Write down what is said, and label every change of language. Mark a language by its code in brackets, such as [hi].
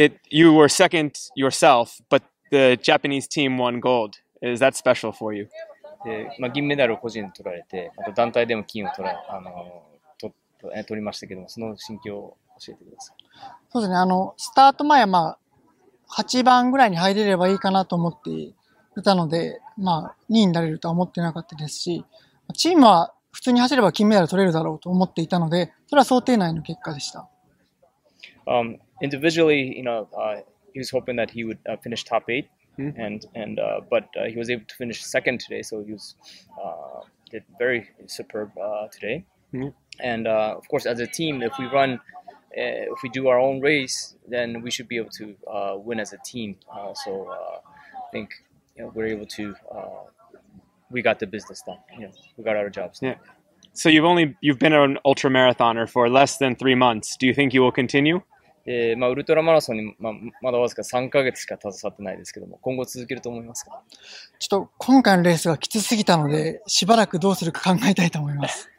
[en] You were second yourself, but the Japanese team won gold. Is that special for you? [ja] で、銀メダルを個人で取られて、あと団体でも金を取られ、あの、取りましたけども、その心境を教えてください。そうですね。あの、スタート前はまあ、8番ぐらいに入れればいいかなと思っていたので、まあ、2位になれるとは思ってなかったですし、チームは普通に走れば金メダル取れるだろうと思っていたので、それは想定内の結果でした。 [en] Individually, you know, he was hoping that he would finish top 8, and but he was able to finish second today, so he was did very superb today. And of course, as a team, if we run, if we do our own race, then we should be able to win as a team. So I think you know, we're able to, we got the business done. You know, we got our jobs done. Yeah. So you've been an ultra marathoner for less than 3 months. Do you think you will continue? [ja] まあ、ウルトラマラソンに、まあ、まだわずか3ヶ月しか携わってないですけども、今後続けると思いますか？ちょっと今回のレースがきつすぎたので、しばらくどうするか考えたいと思います。